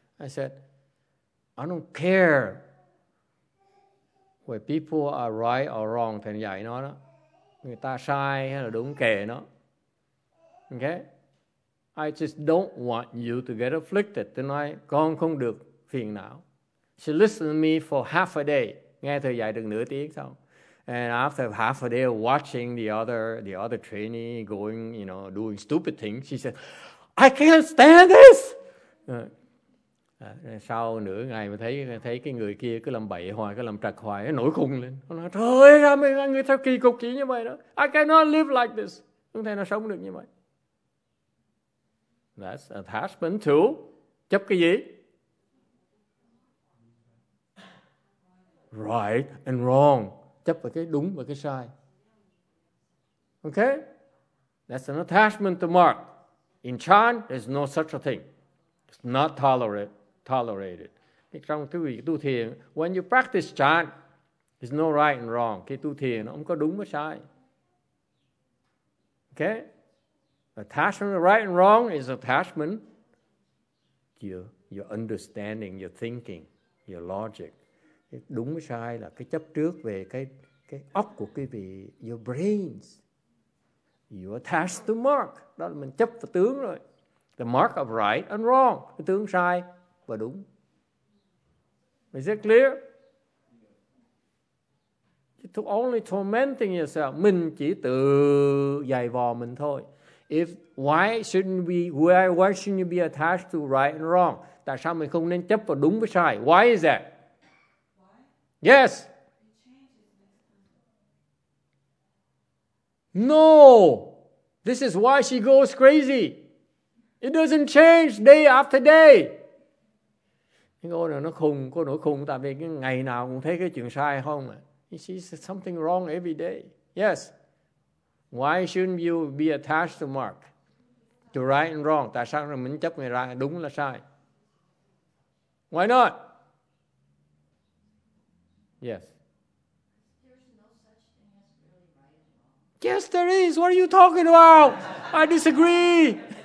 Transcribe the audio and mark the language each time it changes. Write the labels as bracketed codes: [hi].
[en] I said, I don't care where people are right or wrong, [vi] thầy dạy nó đó. Người ta sai hay là đúng kệ nó. [en] Okay? I just don't want you to get afflicted tonight. [vi] Con không được phiền não. [en] She listened to me for half a day. [vi] Nghe thầy dạy được nửa tiếng sau. [en] And after half a day of watching the other trainee going, you know, doing stupid things, she said, I can't stand this! [vi] Sau nửa ngày mà thấy cái người kia cứ làm bậy hoài, cứ làm trật hoài, nổi khùng lên. Nó nói, trời ơi, người ta kỳ cục chỉ như vậy đó. [en] I cannot live like this. [vi] Không thể nào sống được như vậy. [en] That's attachment to [vi] chấp cái gì? [en] Right and wrong. [vi] Chấp vào cái đúng và cái sai. [en] Okay? That's an attachment to mark. In China, there's no such a thing. It's not tolerated. [vi] Trong cái việc tu thiền, [en] when you practice chan, there's no right and wrong. [vi] Cái tu thiền nó không có đúng với sai. [en] Okay? Attachment to right and wrong is attachment to your understanding, your thinking, your logic. [vi] Cái đúng với sai là cái chấp trước về cái óc của quý vị, [en] your brains. You attach to mark. [vi] Đó là mình chấp vào tướng rồi. [en] The mark of right and wrong. [vi] Cái tướng sai và đúng. [en] Is it clear? You're only tormenting yourself. [vi] Mình chỉ tự dày vò mình thôi. [en] Why shouldn't you be attached to right and wrong? [vi] Tại sao mình không nên chấp vào đúng với sai? [en] Why is that? Yes. No. This is why she goes crazy. It doesn't change day after day. [vi] Cô này nó khùng, cô nổi khùng tại vì cái ngày nào cũng thấy cái chuyện sai không ạ. [en] You see something wrong every day. Yes. Why shouldn't you be attached to Mark? to right and wrong. [vi] Tại sao mình chấp người right đúng là sai? [en] Why not? Yes. Yes, there is. What are you talking about? I disagree.